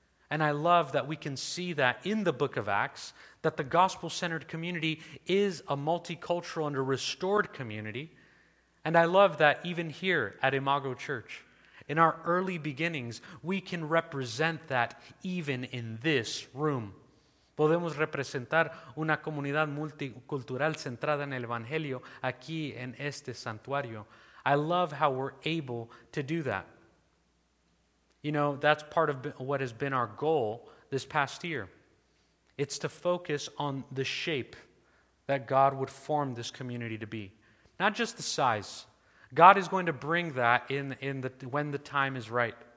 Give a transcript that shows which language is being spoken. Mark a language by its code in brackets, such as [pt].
[en] And I love that we can see that in the book of Acts, that the gospel-centered community is a multicultural and a restored community. And I love that even here at Imago Church, in our early beginnings, we can represent that even in this room. [es] Podemos representar una comunidad multicultural centrada en el Evangelio aquí en este santuario. [en] I love how we're able to do that. You know, that's part of what has been our goal this past year. It's to focus on the shape that God would form this community to be. Not just the size. God is going to bring that in when the time is right.